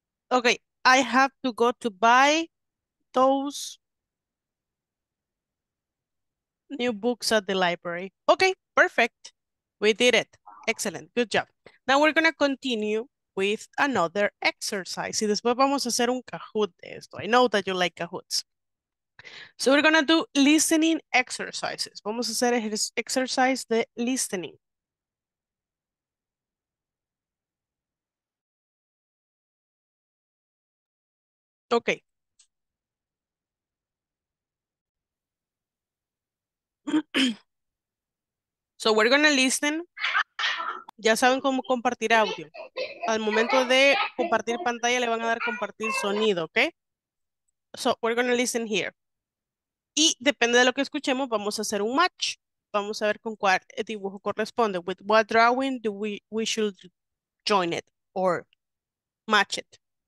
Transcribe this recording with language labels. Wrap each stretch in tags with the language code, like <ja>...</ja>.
<en>Ok, I have to go to buy those new books at the library. Okay, perfect. We did it. Excellent. Good job. Now we're going to continue with another exercise.</en> <es>Y después vamos a hacer un Kahoot de esto.</es> <en>I know that you like Kahoots. So we're going to do listening exercises.</en> <es>Vamos a hacer exercise de listening.</es> <en>Okay. So we're gonna listen.</en> <es>Ya saben cómo compartir audio. Al momento de compartir pantalla le van a dar compartir sonido, ¿ok?</es> <en>So we're gonna listen here.</en> <es>Y depende de lo que escuchemos, vamos a hacer un match. Vamos a ver con cuál dibujo corresponde.</es> <en>With what drawing do we should join it or match it.</en>